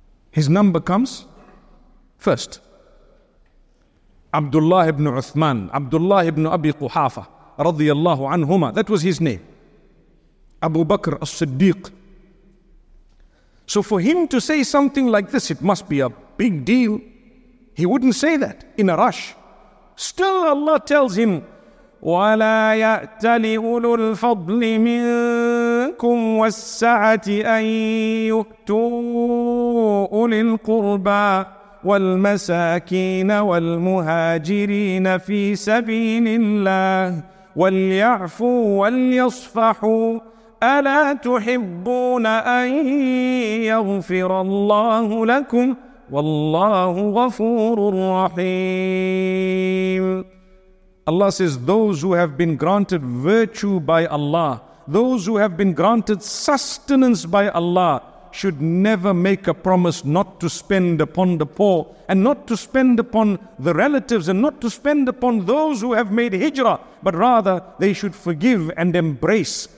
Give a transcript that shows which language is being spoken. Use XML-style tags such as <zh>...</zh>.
<en>His number comes first. Abdullah ibn Uthman, Abdullah ibn Abi Quhafa, radiyallahu anhuma, that was his name. Abu Bakr as-Siddiq. So for him to say something like this, it must be a big deal. He wouldn't say that in a rush. Still Allah tells him,</en> <ar>وَلَا يَأْتَلِ أُولُو الْفَضْلِ مِنْكُمْ وَالسَّعَةِ أَنْ يُؤْتُوا أُولِي الْقُرْبَى وَالْمَسَاكِينَ وَالْمُهَاجِرِينَ فِي سَبِيلِ اللَّهِ وَلْيَعْفُوا وَلْيَصْفَحُوا أَلَا تُحِبُّونَ أَنْ يَغْفِرَ اللَّهُ لَكُمْ وَاللَّهُ غَفُورٌ رَحِيمٌ.</ar> <en>Allah says, those who have been granted virtue by Allah, those who have been granted sustenance by Allah, should never make a promise not to spend upon the poor, and not to spend upon the relatives, and not to spend upon those who have made hijrah, but rather they should forgive and embrace.</en>